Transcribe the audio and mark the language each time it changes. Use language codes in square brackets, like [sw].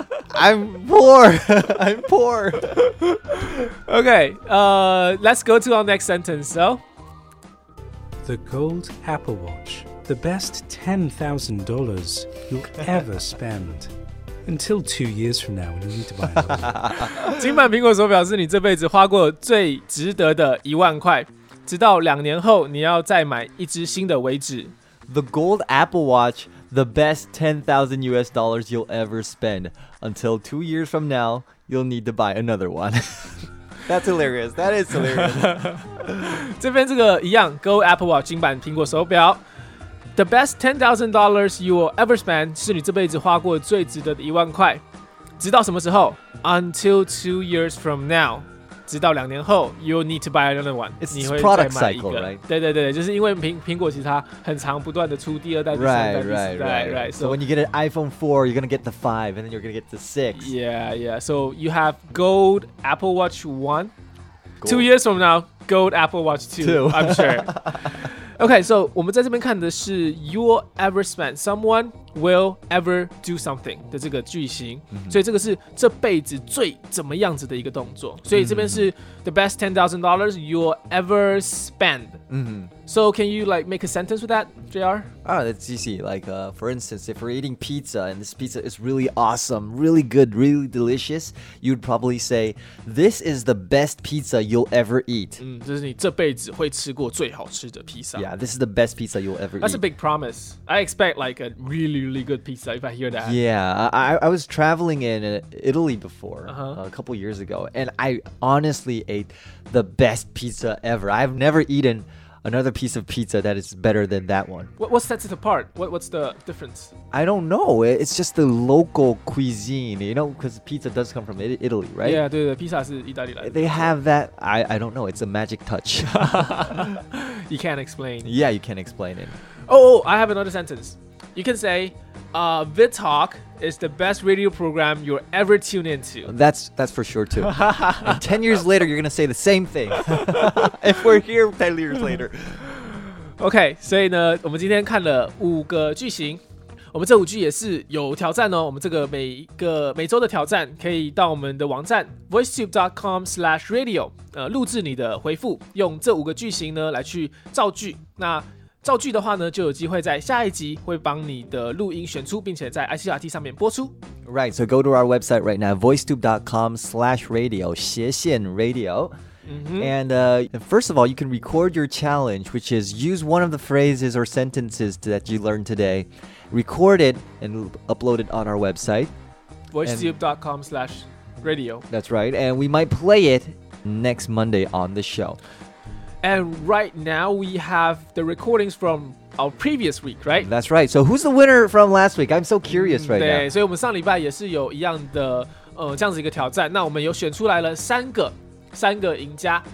[en] I'm poor. Okay, let's go to our next sentence, though. The gold Apple watch. The best $10,000 you'll ever spend. Until 2 years from now, when you need to buy another. [zh] 金版苹果手表是你这辈子花过最值得的一万块。直到两年后你要再买一只新的为止。 [en] The gold Apple Watch, the best $10,000 you'll ever spend. Until 2 years from now, you'll need to buy another one. That's hilarious. That is hilarious. [zh] 这边这个一样 ,gold Apple Watch, 金版苹果手表。 [en] The best $10,000 you will ever spend [zh] 是你这辈子花过最值得的一万块。直到什么时候 [en] ?Until 2 years from now. [zh] 直到两年后 [en] ，you'll need to buy another one. It's product cycle, right? [zh] 对对对，就是因为苹果其实它很常不断的出第二代、 [en] right, [zh] 第三代、 [en] right, [zh] 第四代 [en] right, right. So when you get an iPhone 4, you're gonna get the 5, and then you're gonna get the 6. Yeah, yeah. So you have gold Apple Watch 1. 2 years from now, gold Apple Watch 2. I'm sure. Okay, so [zh] 我们在这边看的是 [en] you'll ever spend, someone will ever do something [zh] 的这个句型、 [en] mm-hmm. [zh] 所以这个是这辈子最怎么样子的一个动作所以这边是、 [en] mm-hmm. the best $10,000 you'll ever spend、 mm-hmm. So can you like make a sentence with that, JR? Oh, that's easy. Like, for instance, if we're eating pizza and this pizza is really awesome, really good, really delicious, you'd probably say, this is the best pizza you'll ever eat. [zh] 这是你这辈子会吃过最好吃的披萨。 [en] Yeah, this is the best pizza you'll ever eat. That's a big promise. I expect like a really, really good pizza if I hear that. Yeah, I was traveling in Italy before, a couple years ago, and I honestly ate the best pizza ever. I've never eaten... Another piece of pizza that is better than that one. What sets it apart? What's the difference? I don't know. It's just the local cuisine, you know, because pizza does come from Italy, right? [zh] Yeah, 对对 pizza 是意大利来的。 [en] They have that, I don't know, it's a magic touch. You can't explain. Yeah, you can't explain it. Oh, I have another sentence. You can say, VidTalk is the best radio program you'll ever tune into. That's for sure, too. 10 years later, you're going to say the same thing. If we're here 10 years later. [zh] OK, 所以呢我们今天看了五个句型。我们这五句也是有挑战哦。我们这个每周的挑战可以到我们的网站 voicetube.com/radio, 录制你的回复用这五个句型呢来去造句。那造句的话呢，就有机会在下一集会帮你的录音选出，并且在 ICRT 上面播出。 [en] Right, so go to our website right now, voicetube.com/radio, [zh] 斜线 [en] radio.、 Mm-hmm. And first of all, you can record your challenge, which is use one of the phrases or sentences that you learned today, record it and upload it on our website. Voicetube.com/radio. That's right, and we might play it next Monday on the show. And right now, we have the recordings from our previous week, right? That's right. So who's the winner from last week? I'm so curious right now. [zh] 对，所以我们上礼拜也是有一样的这样子一个挑战。那我们有选出来了三个赢家。